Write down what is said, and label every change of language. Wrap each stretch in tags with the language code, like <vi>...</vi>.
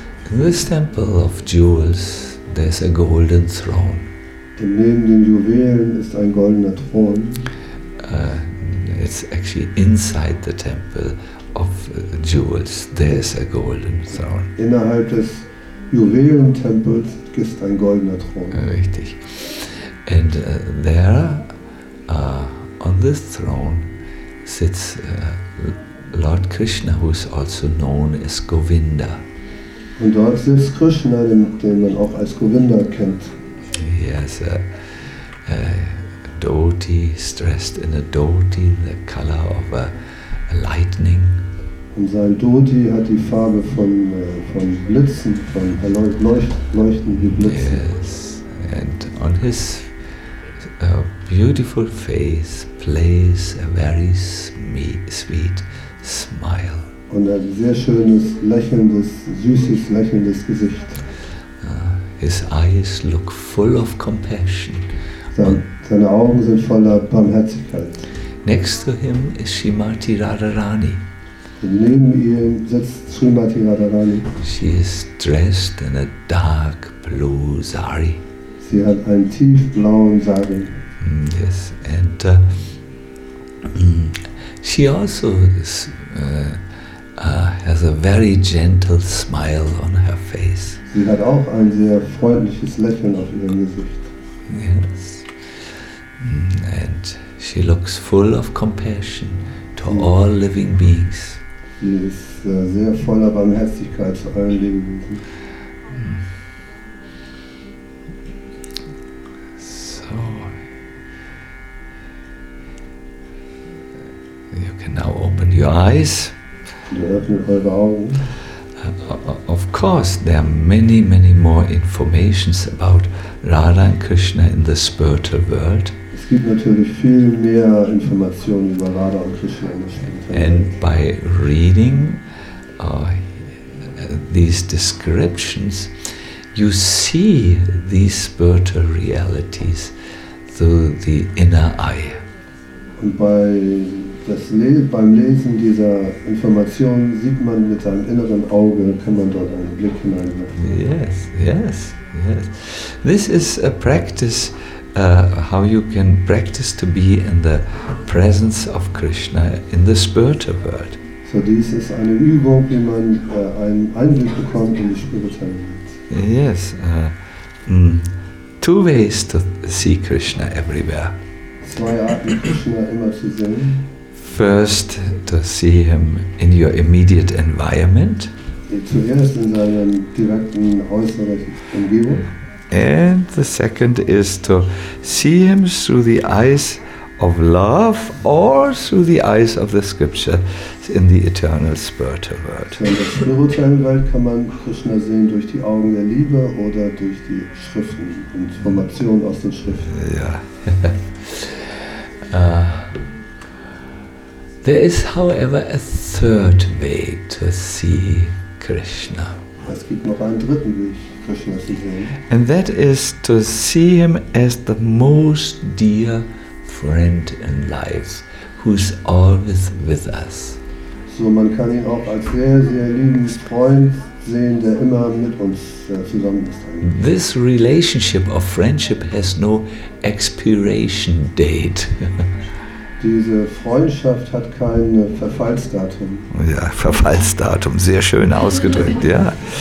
<en>In this temple of jewels, there's a golden throne.</en> <de>Denn neben den Juwelen ist ein goldener Thron.</de> <en>It's actually inside the temple of jewels, there's a golden throne.</en> <de>Innerhalb des Juwelentempels ist ein goldener Thron. Richtig.</de> <en>And there, on this throne, sits Lord Krishna, who is also known as Govinda.</en> <de>Und dort sitzt Krishna, den man auch als Govinda kennt.</de> <en>He has a dhoti, dressed in a dhoti, the color of a lightning.</en> <de>Und sein Dhoti hat die Farbe von Blitzen, von leuchtenden Blitzen.</de> <en>Yes, and on his beautiful face plays a very sweet smile.</en> <de>Und ein sehr schönes, lächelndes, süßes, lächelndes Gesicht.</de> <en>His eyes look full of compassion.</en> <de>Seine Augen sind voller Barmherzigkeit.</de> <en>Next to him is Srimati Radharani.</en> <de>Neben ihr sitzt Srimati Radharani.</de> <en>She is dressed in a dark blue sari.</en> <de>Sie hat einen tiefblauen Sari.</de> <en>Yes, and she also is, has a very gentle smile on her face.</en> <de>Sie hat auch ein sehr freundliches Lächeln auf ihrem Gesicht.</de> <en>Yes, and she looks full of compassion to all living beings.</en> <de>Sie ist sehr voller Barmherzigkeit zu allen Lebewesen.</de> <en>So. You can now open your eyes.</en> <de>Wir öffnen eure Augen.</de> <en>Of course, there are many, many more informations about Radha and Krishna in the spiritual world.</en> <de>Es gibt natürlich viel mehr Informationen über Radha und Krishna.</de> <en>And by reading these descriptions, you see these spiritual realities through the inner eye.</en> <de>Und beim Lesen dieser Informationen sieht man mit seinem inneren Auge, kann man dort einen Blick hineinwerfen.</de> <en>Yes, yes, yes. This is a practice. How you can practice to be in the presence of Krishna in the spiritual world. So this is</en> <de>eine Übung, wie man einen Einblick bekommt in die spirituelle Welt.</de> <en>Yes. Two ways to see Krishna everywhere.</en> <de>Zwei Arten, Krishna immer zu sehen.</de> <en>First, to see him in your immediate environment.</en> <de>Zuerst in seinem direkten äußeren Umgebung.</de> <en>And the second is to see him through the eyes of love or through the eyes of the scripture in the eternal spiritual world.</en> <de>In der spirituellen Welt kann man Krishna sehen durch die Augen der Liebe oder durch die Schriften, Informationen aus den Schriften.</de> <en>Yeah. There is, however, a third way to see Krishna.</en> <de>Es gibt noch einen dritten Weg.</de> <en>And that is to see him as the most dear friend in life, who's always with us.</en> <de>So man kann ihn auch als sehr, sehr lieben Freund sehen, der immer mit uns zusammen ist.</de> <en>This relationship of friendship has no expiration date.</en> <de>Diese Freundschaft hat kein Verfallsdatum. Ja, Verfallsdatum, sehr schön ausgedrückt, ja.</de>